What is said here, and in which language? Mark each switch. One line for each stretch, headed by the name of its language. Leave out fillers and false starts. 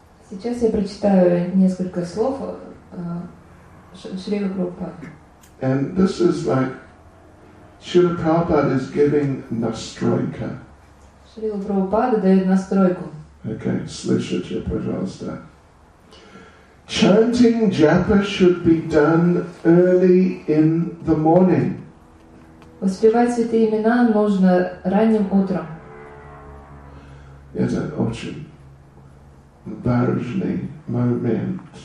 Russian: Сейчас я прочитаю несколько слов Шрилы Прабхупады.
English: And this is like Шрила Прабхупада is giving настройка.
Russian: Шрила Прабхупада дает настройку. Okay, слышите, пожалуйста.
English: Chanting japa should be done early in the morning.
Russian: Воспевать святые имена можно ранним утром. Это очень важный момент.